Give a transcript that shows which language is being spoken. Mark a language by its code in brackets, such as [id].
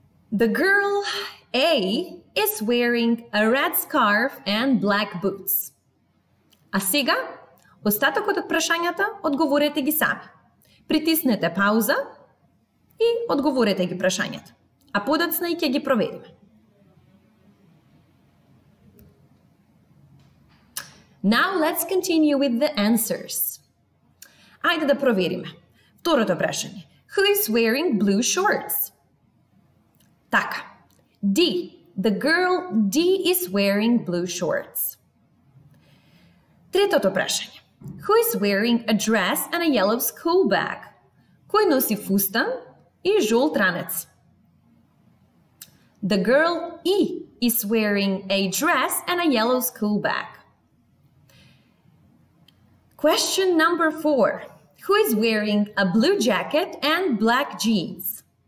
[en] The girl A is wearing a red scarf and black boots. [mk] А сега, остатокот од прашањата одговорете ги сами. Притиснете пауза и одговорете ги прашањата. А подоцна и ќе ги проведиме. [en] Now let's continue with the answers. [mk] Ајде да провериме. Второто прашање. [en] Who is wearing blue shorts? Така. D. The girl D is wearing blue shorts. [mk] Третото прашање. [en] Who is wearing a dress and a yellow school bag? [mk] Кој носи фустан и жолт ранец? [en] The girl E is wearing a dress and a yellow school bag. Question number 4. Who is wearing a blue jacket and black jeans?